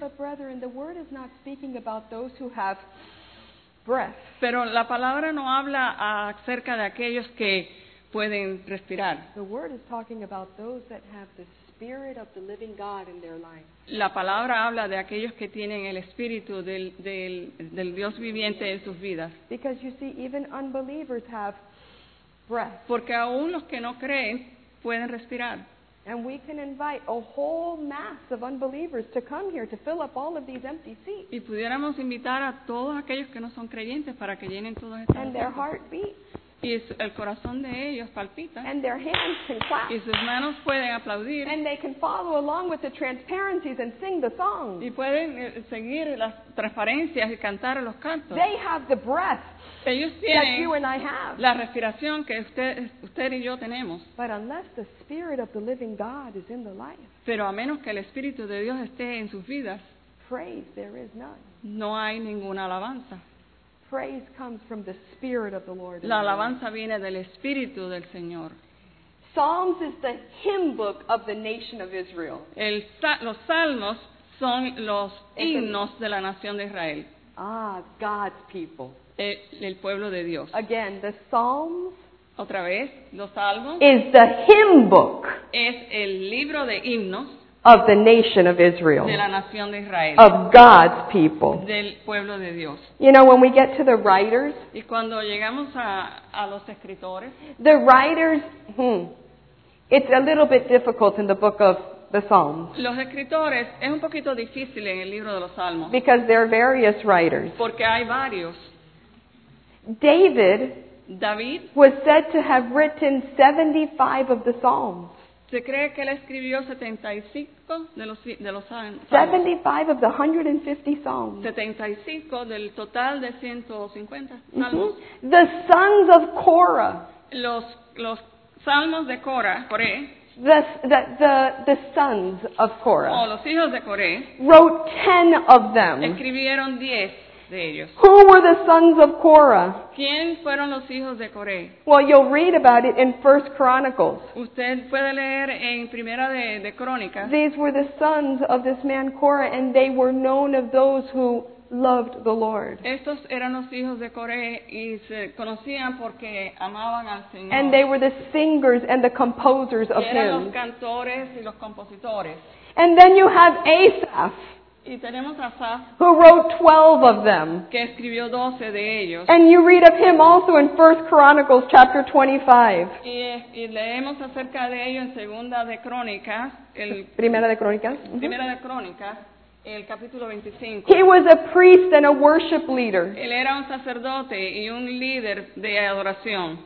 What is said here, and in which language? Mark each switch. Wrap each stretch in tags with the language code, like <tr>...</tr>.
<en>But brethren, the word is not speaking about those who have breath.</en> <es>Pero la palabra no habla acerca de aquellos que pueden respirar.</es> <en>The word is talking about those that have the spirit of the living God in their life.</en> <es>La palabra habla de aquellos que tienen el espíritu del Dios viviente en sus vidas.</es> <en>Because you see, even unbelievers have breath.</en> <es>Porque aún los que no creen pueden respirar.</es> <en>And we can invite a whole mass of unbelievers to come here to fill up all of these empty seats.</en> <es>Y pudiéramos invitar a todos aquellos que no son creyentes para que llenen todos estos.</es> <en>And their heart beats.</en> <es>Y el corazón de ellos palpita.</es> <en>And their hands can clap.</en> <es>Y sus manos pueden aplaudir.</es> <en>And they can follow along with the transparencies and sing the songs.</en> <es>Y pueden seguir las transparencias y cantar los cantos.</es> <en>They have the breath.</en> <es>Ellos tienen</es> <en>that you and I have.</en> <es>La respiración que usted y yo tenemos.</es> <en>But unless the spirit of the living God is in the life,</en> <es>pero a menos que el Espíritu de Dios esté en sus vidas,</es> <en>praise, there is none.</en> <es>No hay ninguna alabanza.</es> <en>Praise comes from the spirit of the Lord.</en> <es>La alabanza viene del Espíritu del Señor.</es> <en>Psalms is the hymn book of the nation of Israel.</en> <es>Los salmos son los himnos de la nación de Israel.</es> <en>Ah, God's people.</en> <es>El pueblo de Dios.</es> <en>Again, the Psalms.</en> <es>Otra vez, los salmos.</es> <en>Is the hymn book.</en> <es>Es el libro de himnos.</es> <en>Of the nation of Israel.</en> <es>De la nación de Israel.</es> <en>Of God's people.</en> <es>Del pueblo de Dios.</es> <en>You know, when we get to the writers.</en> <es>Y cuando llegamos a los escritores.</es> <en>The writers. It's a little bit difficult in the book of the Psalms.</en> <es>Los escritores es un poquito difícil en el libro de los salmos.</es> <en>Because there are various writers.</en> <es>Porque hay varios.</es> <en>David was said to have written 75 of the Psalms.</en> <es>Se cree que él escribió 75 de los salmos.</es> <en>75 of the 150 Psalms.</en> <es>75 del total de 150 salmos.</es> <en>Mm-hmm. The sons of Korah.</en> <es>Los salmos de Korah, Coré.</es> <en>The sons of Korah.</en> <es>Oh, los hijos de Coré.</es> <en>Wrote 10 of them.</en> <es>Escribieron 10. de ellos.</es> <en>Who were the sons of Korah?</en> <es>¿Quién fueron los hijos de Coré?</es> <en>Well, you'll read about it in 1 Chronicles.</en> <es>Usted puede leer en Primera de Crónicas.</es> <en>These were the sons of this man Korah, and they were known of those who loved the Lord.</en> <es>Estos eran los hijos de Coré y se conocían porque amaban al Señor.</es> <en>And they were the singers and the composers of hymns.</en> <es>Eran los cantores y los compositores.</es> <en>And then you have Asaph,</en> <es>y tenemos a Asaph,</es> <en>who wrote 12 of them.</en> <es>Que escribió 12 de ellos.</es> <en>And you read of him also in 1 Chronicles chapter 25.</en> <es>Y leemos acerca de ello en Segunda de Crónicas, el Primera de Crónicas. Mm-hmm. Primera de Crónicas. El capítulo 25.</es> <en>He was a priest and a worship leader.</en> <es>Él era un sacerdote y un líder de adoración.</es>